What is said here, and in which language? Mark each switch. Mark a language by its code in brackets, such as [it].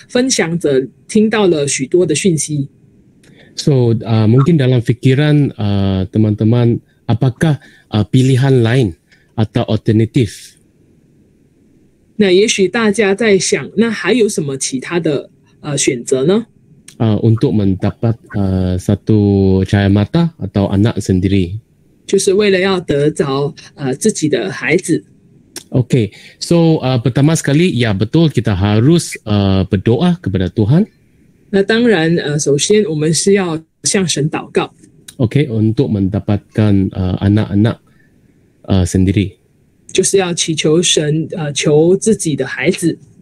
[zh] 那我想大家已经从两个分享者听到了许多的讯息。 [ms] So, mungkin dalam fikiran teman-teman, apakah pilihan lain atau alternatif? [zh] 那也许大家在想，那还有什么其他的选择呢？ [ms] Untuk mendapat satu cahaya mata atau anak sendiri. [zh] 就是为了要得着自己的孩子。 [ms] Okay, so pertama sekali, ya betul kita harus berdoa kepada Tuhan. [zh] 那当然，首先我们是要向神祷告。 [ms] Okay, untuk mendapatkan anak-anak sendiri. [zh] 就是要祈求神求自己的孩子。